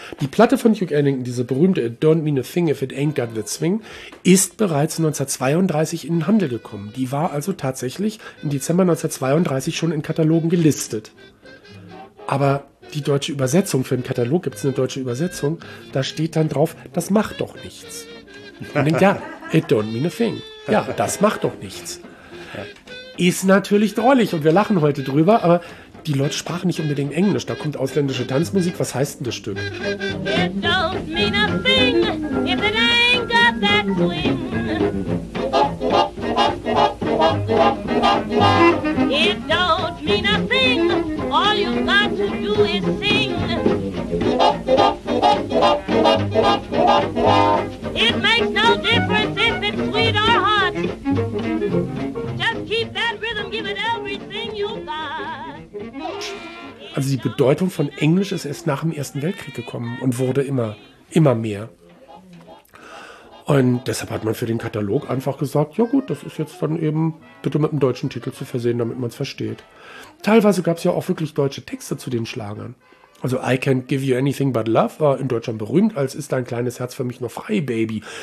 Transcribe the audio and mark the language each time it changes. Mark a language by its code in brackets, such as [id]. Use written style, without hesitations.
[de] Die Platte von Duke Ellington, diese berühmte It Don't Mean a Thing If It Ain't Got the Swing, ist bereits 1932 in den Handel gekommen. Die war also tatsächlich im Dezember 1932 schon in Katalogen gelistet. Aber die deutsche Übersetzung, für den Katalog gibt es eine deutsche Übersetzung, da steht dann drauf, das macht doch nichts. Man denkt, ja, it don't mean a thing. Ja, das macht doch nichts. Ist natürlich drollig und wir lachen heute drüber, aber die Leute sprachen nicht unbedingt Englisch. Da kommt ausländische Tanzmusik, was heißt denn das Stück? [en] It don't mean a thing if it ain't got that swing. It don't mean a thing, all you got to do is sing. It makes no difference if it's sweet or hot. Just keep that rhythm, give it everything you've got. [de] Also die Bedeutung von Englisch ist erst nach dem Ersten Weltkrieg gekommen und wurde immer mehr. Und deshalb hat man für den Katalog einfach gesagt, ja gut, das ist jetzt dann eben bitte mit einem deutschen Titel zu versehen, damit man es versteht. Teilweise gab es ja auch wirklich deutsche Texte zu den Schlagern. Also I Can't Give You Anything But Love war in Deutschland berühmt, als Ist Dein Kleines Herz Für Mich Nur Frei, Baby.